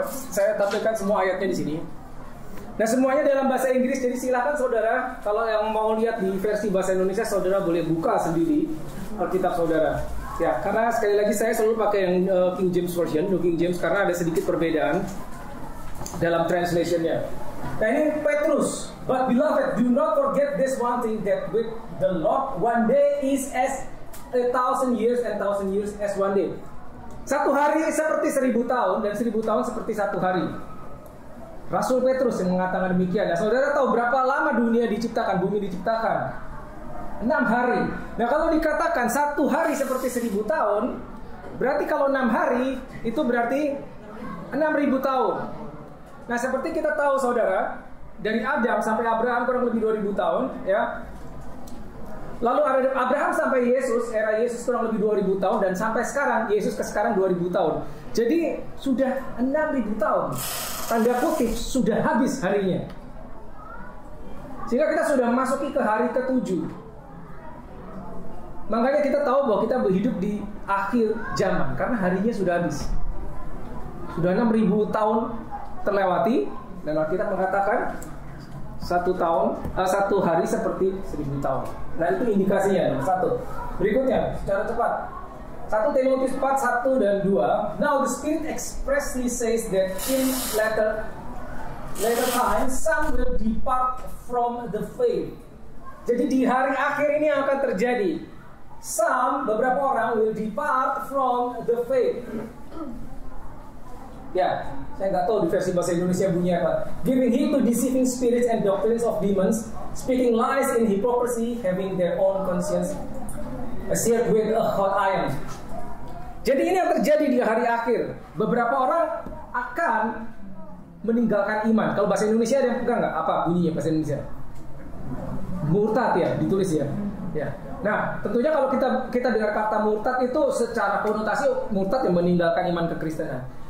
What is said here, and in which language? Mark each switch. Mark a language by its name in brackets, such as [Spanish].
[Indonesian] Saya tampilkan semua ayatnya di sini. Nah, semuanya dalam bahasa Inggris. Jadi silakan saudara, kalau yang mau lihat di versi bahasa Indonesia, saudara boleh buka sendiri Alkitab saudara. Ya, karena sekali lagi saya selalu pakai yang King James Version, New King James, karena ada sedikit perbedaan dalam translation-nya. Nah, ini Petrus. [English] But beloved, do not forget this one thing, that with the Lord, one day is as a thousand years as one day. [Indonesian] Satu hari seperti 1000 tahun, dan 1000 tahun seperti satu hari. Rasul Petrus yang mengatakan demikian. Nah, saudara tahu berapa lama dunia diciptakan? Bumi diciptakan 6 hari. Nah, kalau dikatakan satu hari seperti 1000 tahun, berarti kalau 6 hari, itu berarti 6000 tahun. Nah, seperti kita tahu saudara, dari Adam sampai Abraham kurang lebih 2000 tahun, ya. Lalu Abraham sampai Yesus, era Yesus kurang lebih 2000 tahun, dan sampai sekarang Yesus ke sekarang 2000 tahun. Jadi sudah 6000 tahun. Tanda kutip sudah habis harinya. Sehingga kita sudah masuki ke hari ke-7. Makanya kita tahu bahwa kita hidup di akhir zaman karena harinya sudah habis. Sudah 6000 tahun terlewati, dan kita mengatakan satu hari seperti 1000 tahun. Nah, itu indikasinya nomor satu. Berikutnya secara cepat, 1 Timotius 4:1-2. [English] Now the Spirit expressly says that in later times some will depart from the faith. [Indonesian] Jadi di hari akhir ini akan terjadi beberapa orang [English] will depart from the faith. [Indonesian] Ya, saya nggak tahu di versi bahasa Indonesia bunyinya apa. [English] Giving heed to deceiving spirits and doctrines of demons, speaking lies in hypocrisy, having their own conscience seared with a hot iron. [Indonesian] Jadi ini yang terjadi di hari akhir. Beberapa orang akan meninggalkan iman. Kalau bahasa Indonesia ada yang pegang nggak? Apa bunyinya bahasa Indonesia? Murtad ya, ditulis ya. Ya. Nah, tentunya kalau kita dengar kata murtad itu secara konotasi murtad yang meninggalkan iman kekristenan.